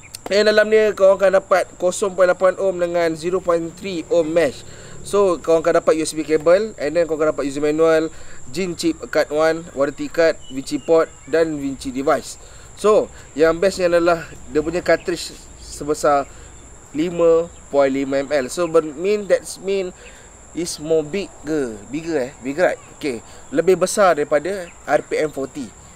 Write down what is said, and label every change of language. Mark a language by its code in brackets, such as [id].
[ms] Yang dalam ni korang akan dapat 0.8 ohm dengan 0.3 ohm mesh. So korang akan dapat USB cable, and then korang akan dapat user manual, Jin chip card 1, warranty card, Vinci port dan Vinci device. So yang bestnya adalah dia punya cartridge sebesar 5.5 ml. [en] So mean that's mean is more bigger right? [ms] Okay, lebih besar daripada RPM40.